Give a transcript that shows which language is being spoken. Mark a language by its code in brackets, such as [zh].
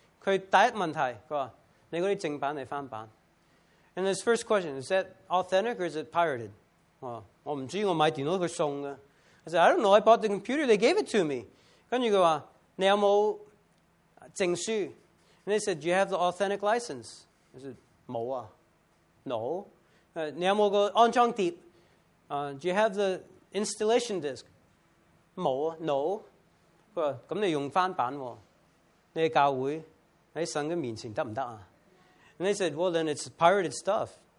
[zh] 他第一問題,你那些正版還是翻版? [en] And his first question, is that authentic or is it pirated? [zh] 我不知道,我買電腦他送的。 [en] I said, I don't know, I bought the computer, they gave it to me. [zh] 跟住他說,你有沒有證書? [en] And they said, do you have the authentic license? I said, [zh] 沒有啊, [en] no. [zh] 你有沒有安裝碟? [en] Do you have the installation disk? [zh] 沒有啊, [en] no. [zh] 他說,那你用翻版,你的教會? 在神的面前行不行啊? [en] And they said, well, then it's pirated stuff.